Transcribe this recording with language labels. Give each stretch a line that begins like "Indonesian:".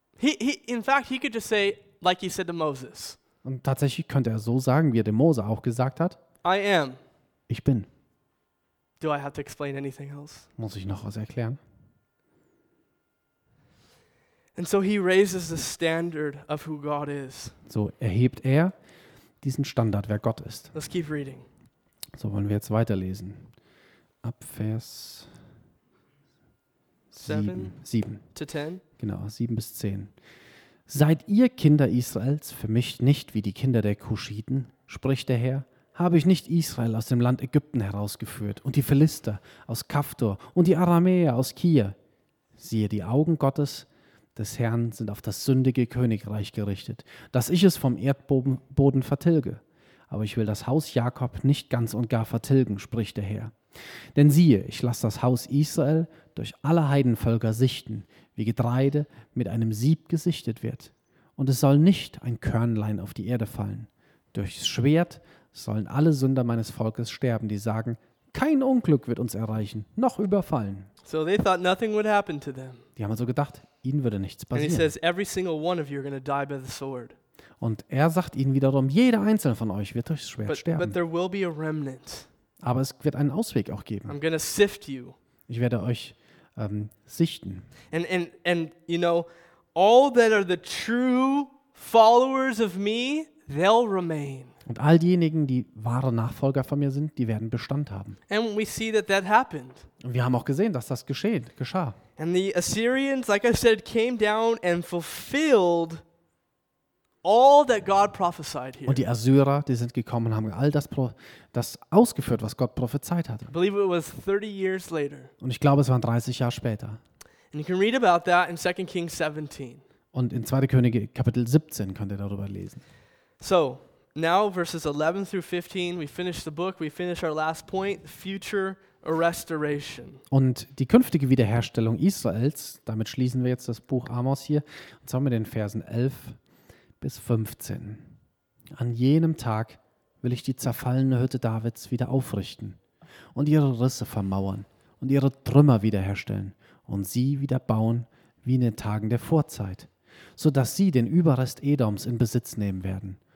English: In fact, he could just say, like he said to Moses.
German: Und tatsächlich könnte er so sagen, wie er dem Mose auch gesagt hat.
English: I am.
German: Ich bin.
English: Do I have to explain anything else?
German: Muss ich noch was erklären?
English: And so he raises the standard of who God is.
German: So erhebt er diesen Standard, wer Gott ist.
English: Let's keep reading.
German: So wollen wir jetzt weiterlesen. Ab Vers 7
English: to 10.
German: Genau, 7 bis 10. Seid ihr Kinder Israels für mich nicht wie die Kinder der Kuschiten, spricht der Herr? Habe ich nicht Israel aus dem Land Ägypten herausgeführt und die Philister aus Kaftor und die Aramäer aus Kir? Siehe, die Augen Gottes des Herrn sind auf das sündige Königreich gerichtet, dass ich es vom Erdboden vertilge. Aber ich will das Haus Jakob nicht ganz und gar vertilgen, spricht der Herr. Denn siehe, ich lasse das Haus Israel durch alle Heidenvölker sichten, wie Getreide mit einem Sieb gesichtet wird. und es soll nicht ein Körnlein auf die Erde fallen. Durchs Schwert sollen alle Sünder meines Volkes sterben, die sagen, kein Unglück wird uns erreichen, noch überfallen.
English: So they thought nothing would happen to them.
German: Die haben also gedacht, ihnen würde nichts passieren.
English: And he says, every single one of you are going to die by the sword.
German: Und er sagt ihnen wiederum, jeder einzelne von euch wird durchs Schwert sterben.
English: But there will be a remnant.
German: Aber es wird einen Ausweg auch geben.
English: I'm going to sift you.
German: Ich werde euch sichten.
English: And you know, all that are the true followers of me, they'll remain.
German: Und all diejenigen, die wahre Nachfolger von mir sind, die werden Bestand haben.
English: And we see that that happened.
German: Und wir haben auch gesehen, dass das geschah.
English: And the Assyrians, like I said, came down and fulfilled all that God prophesied here.
German: Und die Assyrer, die sind gekommen und haben all das ausgeführt, was Gott prophezeit hatte.
English: I believe it was 30 years later.
German: Und ich glaube, es waren 30 Jahre später.
English: And you can read about that in 2 Kings 17.
German: Und in 2. Könige Kapitel 17 könnt ihr darüber lesen.
English: So, now verses 11 through 15, we finish the book, we finish our last point, future restoration.
German: Und die künftige Wiederherstellung Israels, damit schließen wir jetzt das Buch Amos hier, und zwar mit den Versen 11 bis 15. An jenem Tag will ich die zerfallene Hütte Davids wieder aufrichten und ihre Risse vermauern und ihre Trümmer wiederherstellen und sie wieder bauen wie in den Tagen der Vorzeit, sodass sie den Überrest Edoms in Besitz nehmen werden.